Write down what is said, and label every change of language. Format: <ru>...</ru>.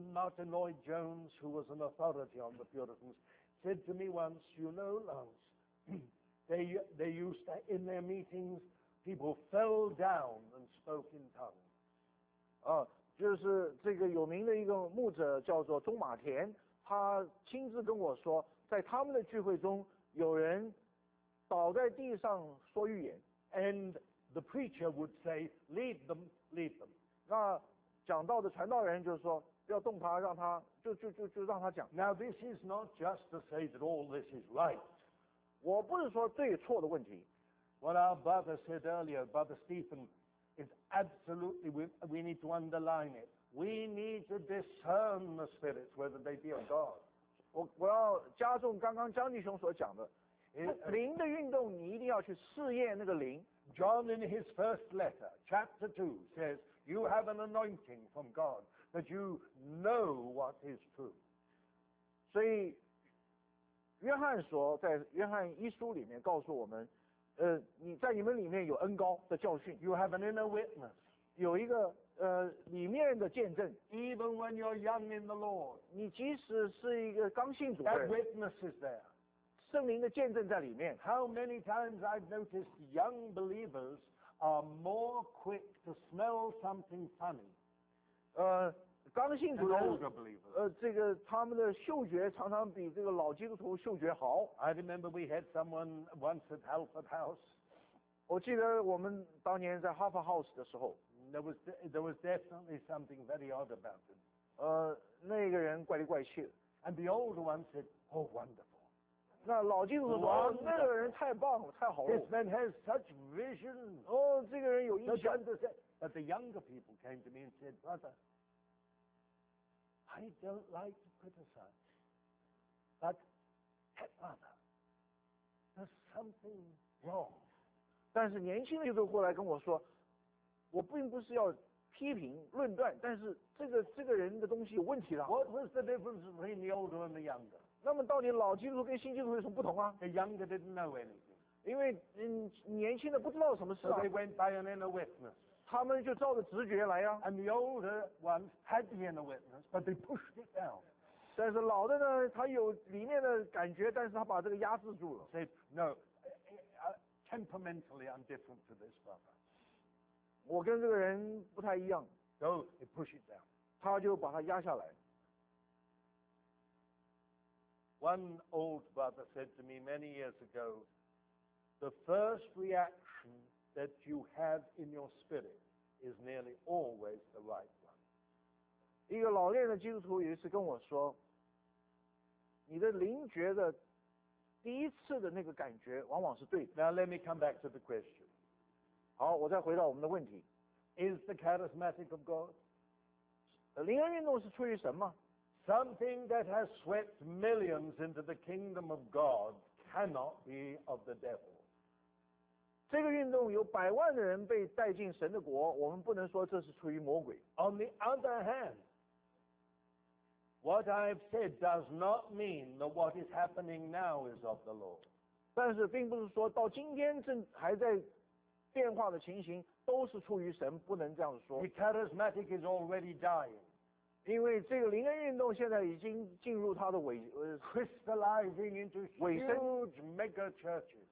<en>Martin Lloyd Jones, who was an authority on the Puritans, said to me once, you know, Lance, they used to, in their meetings, people fell down and spoke in tongues.</en> <zh>就是这个有名的一个牧者叫做钟马田，他亲自跟我说，在他们的聚会中。有人倒在地上说预言</zh> <en>，and the preacher would say, "Leave them, leave them."</en> <zh>那讲道的传道人就是说，不要动他，让他就让他讲。</zh> <en>Now this is not just to say that all this is right.</en> <zh>我不是说对错的问题。</zh> <en>What our brother said earlier, Brother Stephen, is absolutely we need to underline it. We need to discern the spirits whether they be of God.</en> <zh>我要加重刚刚江弟兄所讲的，灵的运动你一定要去试验那个灵。</zh> <en>John in his first letter, chapter 2, says, You have an anointing from God that you know what is true.</en> <zh>所以约翰说在约翰一书里面告诉我们，你在你们里面有恩膏的教训。</zh> <en>You have an inner witness.</en> <zh>有一个里面的见证</zh> <en>Even when you're young in the Lord</en> <zh>你即使是一个刚信主的</zh> <en>That witness is there</en> <zh>圣灵的见证在里面</zh> <en>How many times I've noticed young believers are more quick to smell something funny</en> <zh>刚信主的</zh> <en>older believers</en> <zh>这个他们的嗅觉常常比这个老基督徒嗅觉好</zh> <en>I remember we had someone once at Halford House</en> <zh>我记得我们当年在 Halford House 的时候</zh> <en>There was definitely something very odd about him.</en> <zh>那个人怪里怪气的。</zh> <en>And the old one said, "Oh, wonderful."</en> <zh>那老基督徒说，那个人太棒了，太好了。</zh> <en>This man has such vision.</en> <zh>这个人有印象。</zh> <en>But the younger people came to me and said, "Brother, I don't like to criticize, but hey, brother, there's something wrong."</en> <zh>但是年轻的就过来跟我说。我并不是要批评论断，但是这个人的东西有问题了。</zh> <en>What was the difference between the older and the younger?</en> <zh>那么到底老基督徒跟新基督徒有什么不同啊</zh> <en>？The younger didn't know anything.</en> <zh>因为年轻的不知道什么事啊。</zh> <en>So they went by an inner witness.</en> <zh>他们就照着直觉来啊。</zh> <en>And the older ones had the inner witness, but they pushed it down.</en> <zh>但是老的呢，他有里面的感觉，但是他把这个压制住了。</zh> <en>Said no, temperamentally I'm different to this brother.</en> <zh>我跟这个人不太一样</zh> <en>so, he push it down.</en> <zh>他就把他压下来</zh> <en>One old brother said to me many years ago The first reaction that you have in your spirit is nearly always the right one</en> <zh>一个老练的基督徒有一次跟我说你的灵觉的第一次的那个感觉往往是对的</zh> <en>Now let me come back to the question</en> <zh>好，我再回到我们的问题。</zh> <en>Is the charismatic of God?</en> <zh>灵恩运动是出于神吗</zh> <en>？Something that has swept millions into the kingdom of God cannot be of the devil.</en> <zh>这个运动有百万的人被带进神的国，我们不能说这是出于魔鬼。</zh> <en>On the other hand, What I've said does not mean that what is happening now is of the Lord.</en> <zh>但是并不是说到今天正还在变化的情形都是出于神，不能这样说。</zh> <en>The charismatic is already dying.</en> <zh>因为这个灵恩运动现在已经进入它的</zh> <en>crystallizing into huge mega churches.</en>